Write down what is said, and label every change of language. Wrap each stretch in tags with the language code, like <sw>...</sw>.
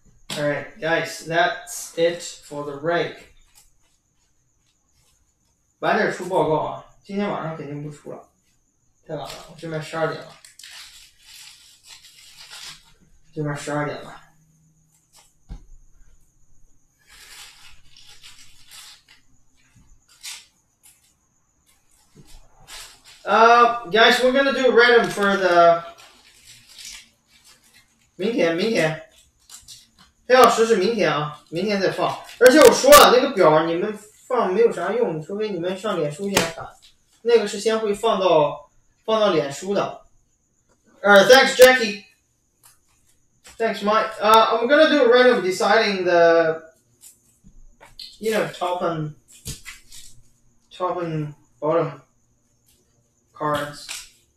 <en>All right, guys, that's it for the break.</en> <zh>晚点出报告啊，今天晚上肯定不出了，太晚了，我这边十二点了。这边十二点了。</zh> <en>Guys, we're gonna do random for the</en> <zh>明天，黑曜石是明天啊，明天再放。而且我说了，那个表你们放没有啥用，除非你们上脸书先看，那个是先会放到脸书的。</zh> <en>Thanks, Jackie. Thanks, Mike. I'm gonna do a random deciding the, you know, top and bottom cards.</en>